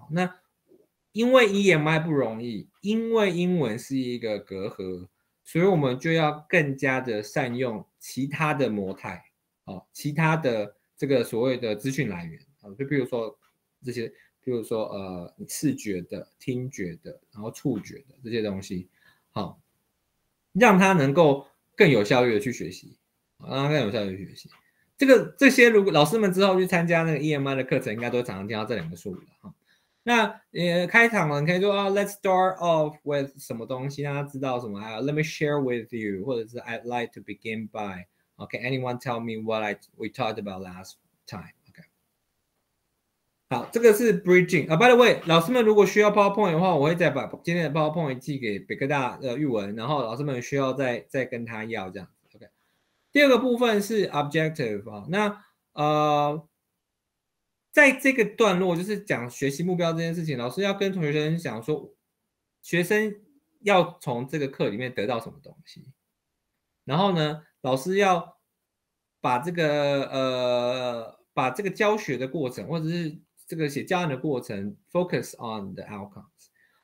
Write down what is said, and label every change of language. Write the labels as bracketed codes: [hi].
[zh] 那因为 EMI 不容易，因为英文是一个隔阂，所以我们就要更加的善用其他的模态，其他的这个所谓的资讯来源，就比如说这些，比如说视觉的、听觉的，然后触觉的这些东西，好，让他能够更有效率的去学习，让他更有效率的学习。这些如果老师们之后去参加那个 EMI 的课程，应该都常常听到这两个术语了哈。那开场了，你可以说啊 ， [en] Let's start off with [zh] 什么东西，让他知道什么。 [en] Let me share with you， [zh] 或者是 [en] I'd like to begin by。 Okay， anyone tell me what we talked about last time？ [zh] Okay， 好，这个是 bridging。 [en] By the way， [zh] 老师们如果需要 PowerPoint 的话，我会再把今天的 PowerPoint 寄给北科大玉文，然后老师们需要再跟他要这样。 Okay， 第二个部分是 objective 啊，那在这个段落就是讲学习目标这件事情，老师要跟同学生讲说学生要从这个课里面得到什么东西，然后呢老师要把这个教学的过程或者是这个写教案的过程 [en] focus on the outcomes。